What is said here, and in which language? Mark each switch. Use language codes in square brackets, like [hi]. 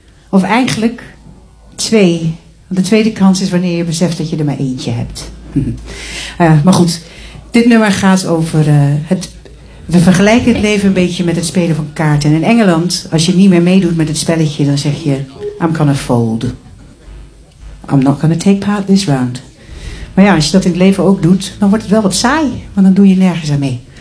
[nl] Of eigenlijk twee. De tweede kans is wanneer je beseft dat je er maar eentje hebt. Maar goed, dit nummer gaat over we vergelijken het leven een beetje met het spelen van kaarten. En in Engeland, als je niet meer meedoet met het spelletje, dan zeg je, [en] I'm gonna fold. I'm not gonna take part this round. [nl] Maar ja, als je dat in het leven ook doet, dan wordt het wel wat saai, want dan doe je nergens aan mee.